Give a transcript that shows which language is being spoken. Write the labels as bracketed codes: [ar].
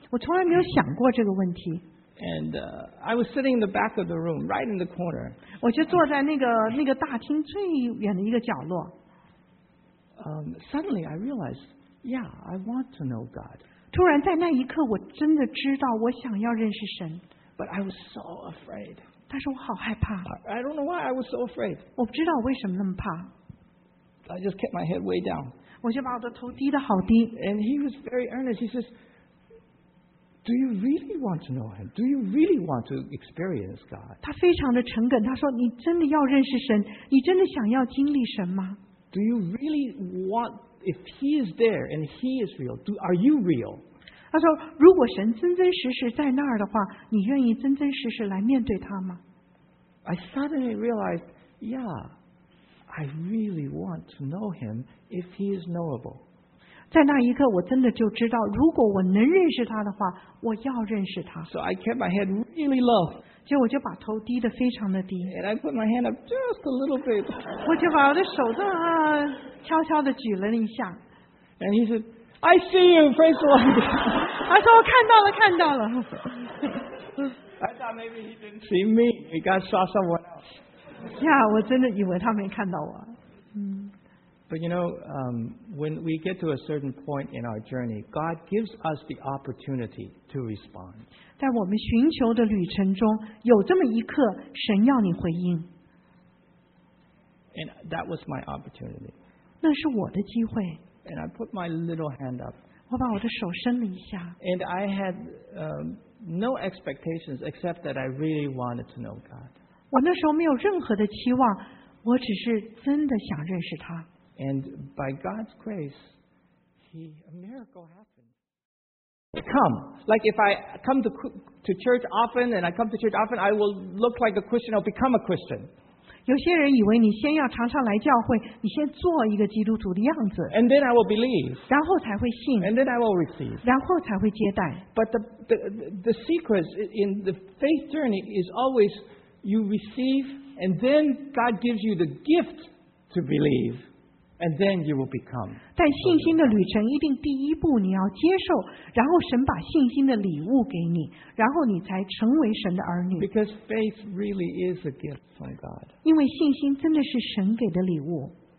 [zh] 我从来没有想过这个问题。 [en] And I was sitting in the back of the room, right in the corner. [zh] 我就坐在那个大厅最远的一个角落。 [en] suddenly I realized, yeah, I want to know God. [zh] 突然在那一刻，我真的知道我想要认识神。 [en] But I was so afraid. [zh] 但是我好害怕。 [en] I don't know why I was so afraid. [zh] 我不知道为什么那么怕。 [en] I just kept my head way down. [zh] 我就把我的头低得好低。 [en] And he was very earnest. He says, "Do you really want to know him? Do you really want to experience God?" [zh] 他非常的诚恳，他说：“你真的要认识神？你真的想要经历神吗？” [en] Do you really want? If he is there and he is real, are you real? [zh] 他说，如果神真真实实在那儿的话，你愿意真真实实来面对他吗？ [en] I suddenly realized, yeah, I really want to know him if he is knowable. [zh] 在那一刻，我真的就知道，如果我能认识他的话，我要认识他。 [en] So I kept my head really low. [zh] 就我就把头低得非常的低。 [en] And I put my hand up just a little bit. [zh] 我就把我的手这么悄悄地举了一下。 [en] And he said, I see you, praise the Lord. [zh] 他说我看到了，看到了。 [en] I thought maybe he didn't see me. He got saw someone else. [zh] Yeah, 我真的以为他没看到我。 [en] But you know, when we get to a certain point in our journey, God gives us the opportunity to respond. [zh] 在我们寻求的旅程中，有这么一刻，神要你回应。 [en] And that was my opportunity. [zh] 那是我的机会。 [en] And I put my little hand up. [zh] 我把我的手伸了一下。 [en] And I had no expectations except that I really wanted to know God. [zh] 我那时候没有任何的期望，我只是真的想认识他。 [en] And by God's grace, a miracle happened. Come, like if I come to church often and I come to church often, I will look like a Christian or become a Christian. [zh] 有些人以为你先要常常来教会，你先做一个基督徒的样子。 [en] And then I will believe. [zh] 然后才会信。 [en] And then I will receive. [zh] 然后才会接待。 [en] But the secret in the faith journey is always you receive, and then God gives you the gift to believe. And then you will become. [zh] 但信心的旅程一定第一步你要接受，然后神把信心的礼物给你，然后你才成为神的儿女。 [en] Because faith really is a gift from God. [zh] 因为信心真的是神给的礼物。